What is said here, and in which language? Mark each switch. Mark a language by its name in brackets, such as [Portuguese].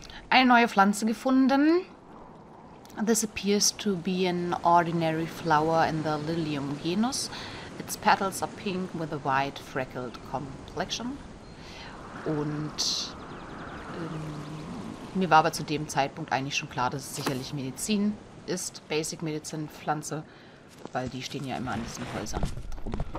[German] Eine neue Pflanze gefunden. [English] This appears to be an ordinary flower in the Lilium genus. Its petals are pink with a white freckled complexion. [German] Und mir war aber zu dem Zeitpunkt eigentlich schon klar, dass es sicherlich Medizin ist, Basic Medicine Pflanze, weil die stehen ja immer an diesen Häusern rum.